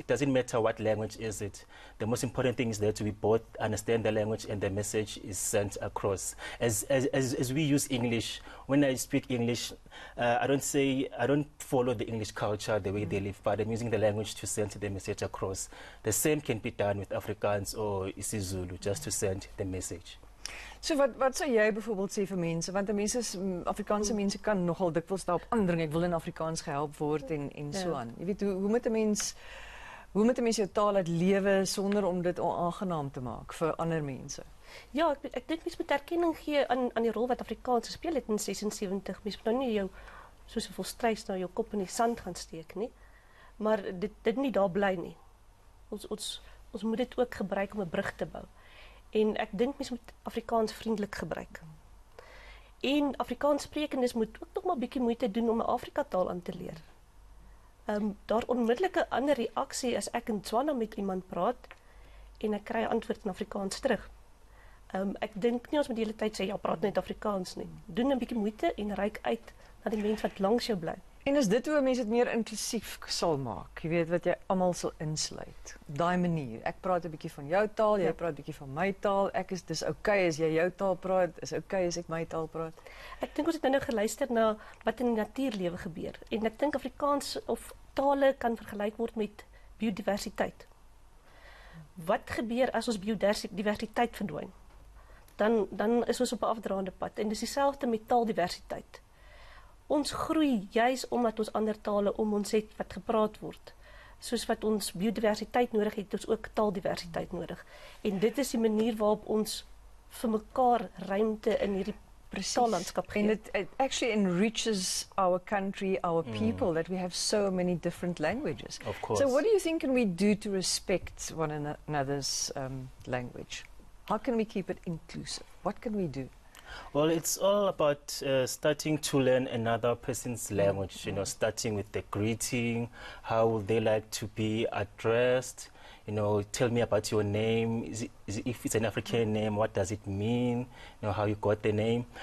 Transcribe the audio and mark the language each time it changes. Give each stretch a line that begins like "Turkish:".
English: It doesn't matter what language is it. The most important thing is that we both understand the language and the message is sent across. As we use English, when I speak English, I don't follow the English culture the way they live, but I'm using the language to send the message across. The same can be done with Afrikaans or isiZulu, just to send the message.
Afrikaans: So wat sou jy byvoorbeeld sê vir mense? Want die mense, Afrikaanse mense kan nogal dikwels daarop aandring, ek wil in Afrikaans gehelp word en so aan. Jy weet, hoe moet 'n mens jou taal uit lewe sonder om dit onaangenaam te maak vir ander mense? Ja, ek dink mens moet erkenning gee aan die rol wat Afrikaans gespeel het in 76. Mens moet nou nie jou soos 'n volstruis na jou kop in die sand gaan steek nie. Maar dit nie daar bly nie. Ons moet dit ook gebruik om 'n brug te bou. En ek dink mense moet Afrikaans vriendelik gebruik. En Afrikaans sprekendes moet ook nog maar bietjie moeite doen om 'n Afrika taal aan te leer. Daar onmiddellike ander reaksie as ek in Tswana met iemand praat en ek kry 'n antwoord in Afrikaans terug. Ek dink nie ons moet die hele tyd sê ja, praat net Afrikaans nie. Doen 'n bietjie moeite en reik uit na die mense wat langs jou bly. En is dit hoe mense dit meer inklusief sal maak? Jy weet wat jy almal sal insluit. Daai manier. Ek praat 'n bietjie van jou taal, jy praat 'n bietjie van my taal. Dis okay as jy jou taal praat, is okay as ek my taal praat. Ek dink ons het nou geluister na wat in die natuurlewe gebeur. En ek dink Afrikaans of tale kan vergelyk word met biodiversiteit. Wat gebeur as ons biodiversiteit verdwyn? Dan is ons op 'n afdraande pad. En dis dieselfde met taaldiversiteit. Ons groei juis omdat ons ander tale om ons het wat gepraat word. Soos wat ons biodiversiteit nodig het, ons ook taaldiversiteit nodig. En dit is die manier waarop ons vir mekaar ruimte in hierdie taallandskap gee.
English: And it actually enriches our country, our people, that we have so many different languages. Of course. So what do you think can we do to respect one another's language? How can we keep it inclusive? What can we do? Well, it's all about starting to learn another person's language, you know, starting with the greeting, how would they like to be addressed, you know, tell me about your name, if it's an African name, what does it mean, you know, how you got the name.